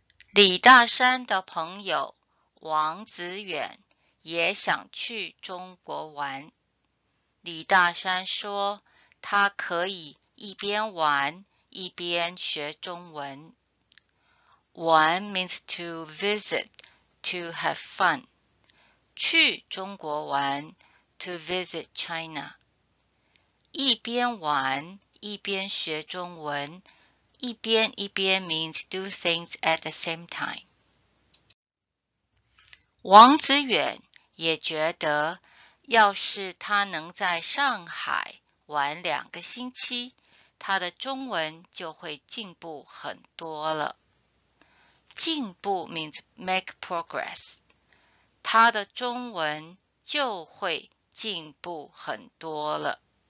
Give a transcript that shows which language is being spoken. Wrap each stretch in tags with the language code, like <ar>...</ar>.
<zh>李大山的朋友王子远也想去中国玩。李大山说他可以一边玩一边学中文。</zh> <en>玩 means to visit, to have fun.</en> <zh>去中国玩</zh> <en>to visit China.</en> <zh>一边玩一边学中文，</zh> <en>一边 means do things at the same time.</en> <zh>王子远也觉得，要是他能在上海玩两个星期，他的中文就会进步很多了。</zh> <en>进步 means make progress.</en> <zh>他的中文就会进步很多了。</zh>